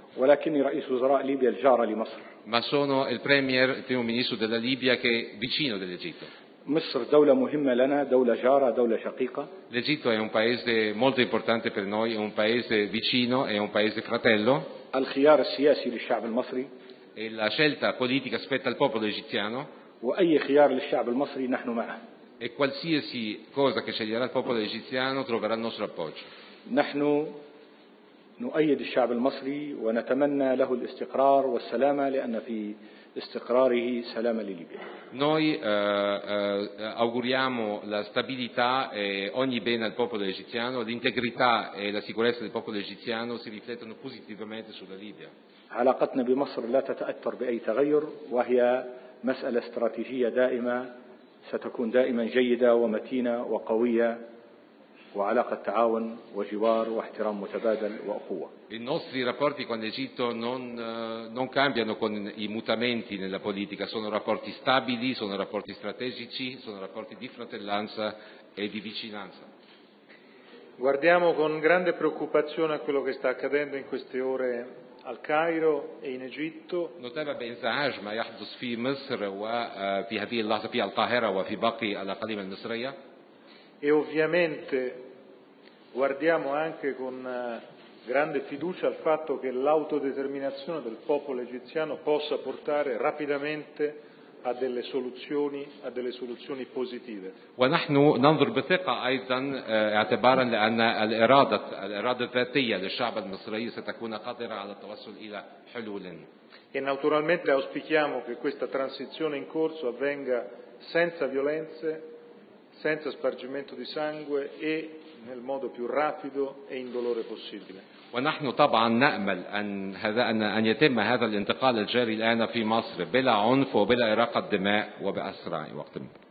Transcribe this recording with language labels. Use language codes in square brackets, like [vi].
[ar] ولكني رئيس وزراء ليبيا الجارة لمصر. [it] Ma sono il premier, il primo ministro della Libia che è vicino dell'Egitto. [ar] مصر دولة مهمة لنا، دولة جارة، دولة شقيقة. [it] L'Egitto è un paese molto importante per noi, è un paese vicino, è un paese fratello. [ar] الخيار السياسي للشعب المصري. [it] E la scelta politica spetta al popolo egiziano. [ar] وأي خيار للشعب المصري نحن معه. [it] E qualsiasi cosa che sceglierà il popolo egiziano troverà il nostro appoggio. [ar] نحن نؤيد الشعب المصري ونتمنى له الاستقرار والسلامة، لأن في استقراره سلامة لليبيا. [it] Noi auguriamo la stabilità e ogni bene al popolo egiziano. L'integrità e la sicurezza del popolo egiziano si riflettono positivamente sulla Libia. [ar] علاقتنا بمصر لا تتأثر بأي تغير، وهي مسألة استراتيجية دائمة، ستكون دائما جيدة ومتينة وقوية. وعلاقة تعاون وجوار واحترام متبادل وأخوة. [it] I nostri rapporti con l'Egitto non cambiano con i mutamenti nella politica, sono rapporti stabili, sono rapporti strategici, sono rapporti di fratellanza e di vicinanza. Guardiamo con grande preoccupazione a quello che sta accadendo in queste ore al Cairo e in Egitto. [ar] نتابع بإنزعاج ما يحدث في مصر وفي هذه اللحظة في القاهرة وفي باقي الأقاليم المصرية. [it] e ovviamente guardiamo anche con grande fiducia al fatto che l'autodeterminazione del popolo egiziano possa portare rapidamente a delle soluzioni positive. [ar] ونحن ننظر بثقة أيضا اعتبارا لأن الإرادة الذاتية للشعب المصري ستكون قادرة على التوصل إلى حلول. [it] E naturalmente auspichiamo che questa transizione in corso avvenga senza violenze, senza spargimento di sangue e nel modo più rapido e indolore possibile. [ar] ونحن طبعا نأمل أن يتم هذا الانتقال الجاري الآن في مصر بلا عنف وبلا إراقة دماء وبأسرع وقت.